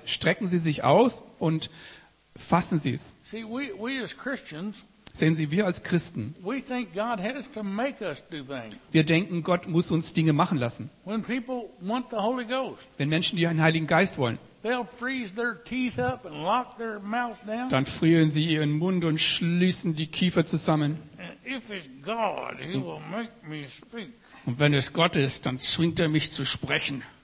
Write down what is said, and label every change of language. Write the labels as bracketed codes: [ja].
[de] Strecken Sie sich aus und fassen Sie es. [en] See, we as Christians, [de] sehen Sie, wir als Christen, [en] we think God has to make us do things. [de] Wir denken, Gott muss uns Dinge machen lassen. [en] When people want the Holy Ghost, [de] wenn Menschen den Heiligen Geist wollen, [en] they'll freeze their teeth up and lock their mouth down. [de] Dann frieren sie ihren Mund und schließen die Kiefer zusammen. [en] If it's God, he will make me speak. [de] Und wenn es Gott ist, dann zwingt er mich zu sprechen.